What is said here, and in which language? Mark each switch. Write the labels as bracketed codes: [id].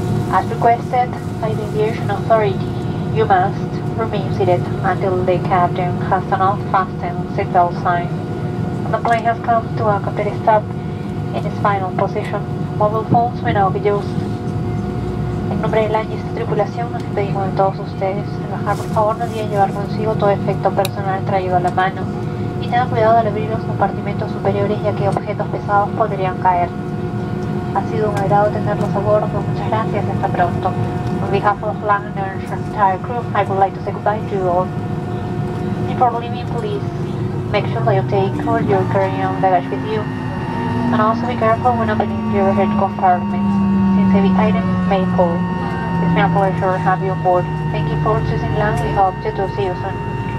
[en] As requested by the aviation authority, you must remain seated until the captain has an unfastened seatbelt sign. And the plane has come to a complete stop in its final position. Mobile phones may now be used. [es] En nombre de la tripulación, nos pedimos a todos ustedes trabajar, por favor, no deben llevar consigo todo efecto personal traído a la mano. Y tengan cuidado al abrir los compartimentos superiores, ya que objetos pesados podrían caer. Ha sido un agrado tenerlos a bordo. Muchas gracias. Hasta pronto. [en] On behalf of Langner's entire crew, I would like to say goodbye to you all. Before leaving, please make sure that you take all your carry-on baggage with you. And also be careful when opening your head compartments, since heavy items may fall. It's been a pleasure to have you aboard. Thank you for choosing Langley. Hope to see you soon.